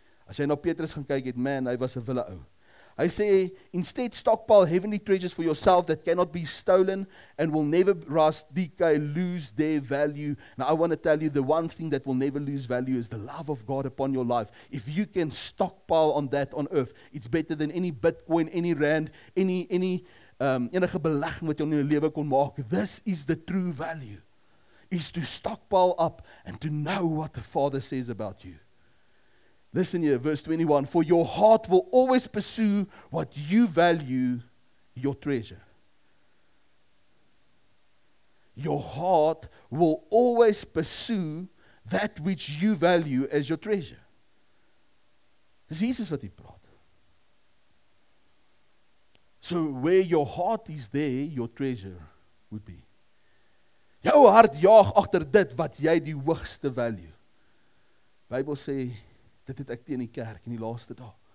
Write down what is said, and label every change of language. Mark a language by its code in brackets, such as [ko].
[af] As jy na Petrus gaan kyk, het man, hy was 'n wille ou. Hy sê, [en] instead stockpile heavenly treasures for yourself that cannot be stolen and will never rust, decay, lose their value. Now I want to tell you the one thing that will never lose value is the love of God upon your life. If you can stockpile on that on earth, it's better than any Bitcoin, any rand, [af] enige belegging wat jy in jou lewe kon maak. [en] This is the true value, is to stockpile up and to know what the Father says about you. Listen here, verse 21, for your heart will always pursue what you value, your treasure. Your heart will always pursue that which you value as your treasure. [af] Dis Jesus wat hy praat. [en] So where your heart is there, your treasure would be. [af] Jou hart jaag agter dit wat jy die hoogste value. Bybel sê, dit het ek teen die kerk in die laaste dag.